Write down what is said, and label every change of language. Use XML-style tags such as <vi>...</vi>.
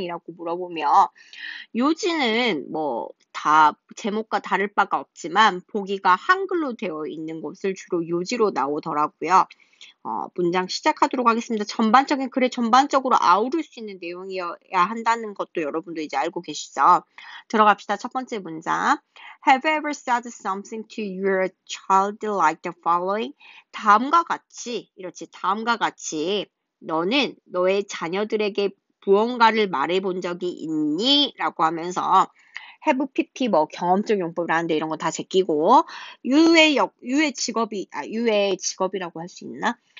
<ko>이라고 물어보며, 요지는 뭐, 다 제목과 다를 바가 없지만 보기가 한글로 되어 있는 것을 주로 요지로 나오더라고요. 문장 시작하도록 하겠습니다. 전반적인 글에 전반적으로 아우를 수 있는 내용이어야 한다는 것도 여러분도 이제 알고 계시죠? 들어갑시다. 첫 번째 문장.</ko> <en>Have you ever said something to your child like the following?</en> <ko>다음과 같이, 이렇지. 다음과 같이 너는 너의 자녀들에게 무언가를 말해본 적이 있니? 라고 하면서 have PP 뭐 경험적 용법이라는데 이런 거다 제끼고 유의 직업이 유의 직업이라고 할수 있나?</ko>